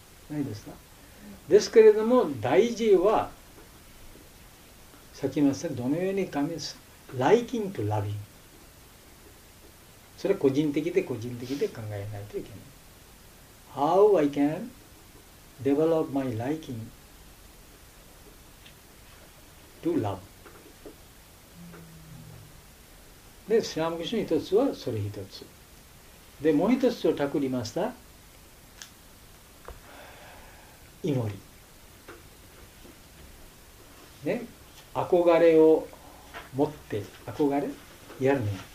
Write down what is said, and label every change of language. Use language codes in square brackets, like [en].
[ja] ないですか。ですけれども大事は先言いますどのように神様 [en] liking to loving [ja] それは個人的で考えないといけない。 [en] How I can develop my liking to love。 [ja] で、シラムクシュの一つはそれ一つ。で、もう一つをタクリマスター、祈り。ね、憧れを持って、憧れ、やるね。